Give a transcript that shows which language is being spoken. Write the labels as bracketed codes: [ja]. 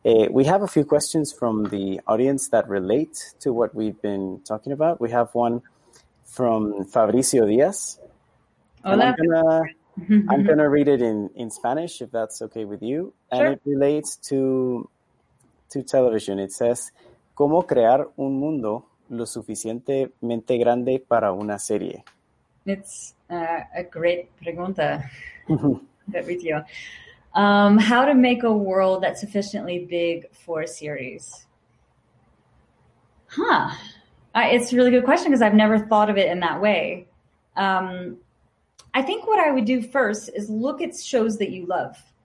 [en] We have a few questions from the audience that relate to what we've been talking about. We have one from Fabricio Diaz. [es] Hola. [en] I'm going to read it in Spanish, if that's okay with you. Sure. And it relates to television. It says, [es] ¿Cómo crear un mundo lo suficientemente grande para una serie? [en] It's a great [es] pregunta. [en] how to make a world that's sufficiently big for a series? It's a really good question, because I've never thought of it in that way. I think what I would do first is look at shows that you love.